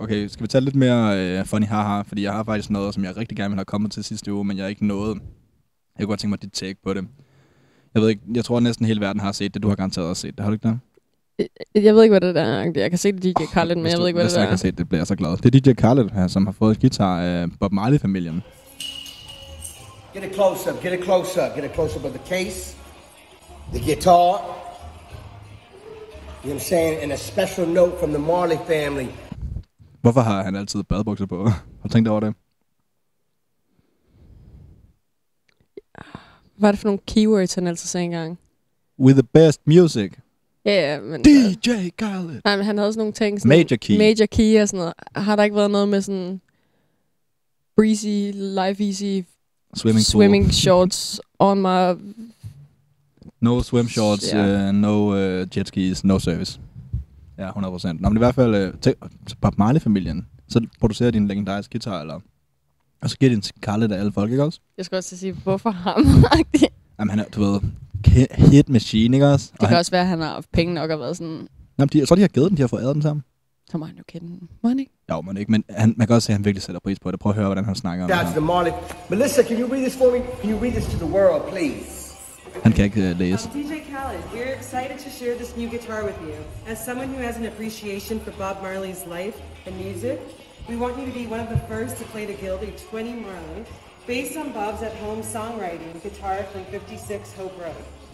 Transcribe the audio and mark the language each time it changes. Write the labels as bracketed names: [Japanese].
[Danish] Okay, skal vi tage lidt mere funny haha, fordi jeg har faktisk noget, som jeg rigtig gerne vil have kommet til sidste uge, men jeg er ikke nået. Jeg kunne godt tænke mig dit take på det. Jeg ved ikke, jeg tror at næsten hele verden har set det, du har garanteret også set det. Har du ikke det? Jeg ved ikke, hvad det er. Jeg kan se det DJ Khaled, men jeg ved ikke, hvad det er. Hvis jeg kan se det, bliver jeg så glad. Det er DJ Khaled, som har fået guitar af Bob Marley-familien. [English] Get it close up, get it close up, get it close up of the case, the guitar. You know what I'm saying? And a special note from the Marley family. [Danish] Hvorfor har han altid badebukser på? Har du tænkt over det? Hvad er det for nogle keywords, han altid sagde engang? [English] With the best music. [Danish] Ja, yeah, men... DJ Khaled! Nej, men han havde sådan nogle ting... Sådan [English] major key. [Danish] Major key og sådan noget. Har der ikke været noget med sådan... [English] Breezy, life easy... Swimming pool. Swimming shorts on my... No swim shorts, no jet skis, no service. [Danish] Ja, 100%. Nå, men i hvert fald, Bob Marley-familien, så producerer de en legendarisk guitar, eller, og så giver de en til Khaled af alle folk, ikke også? Jeg skal også sige, hvorfor ham? Jamen, han er, du ved, hit machine, ikke også? Det og kan han, også være, at han har haft penge nok og været sådan... Jamen, de, så de har givet den, de har fået æret den sammen. Så må han jo kende den. Må han ikke? Jo, må han ikke, men han, man kan også se, at han virkelig sætter pris på det. Prøv at høre, hvordan han snakker om det. [English] That's the Marley. Melissa, can you read this for me? Can you read this to the world, please? [Danish] Han kan ikke læse. [English] DJ Khaled, we're excited to share this new guitar with you. As someone who has an appreciation for Bob Marley's life and music, we want you to be one of the first to play the Guilty 20 Marley based on Bob's at-home songwriting guitar from 56 Hope Road.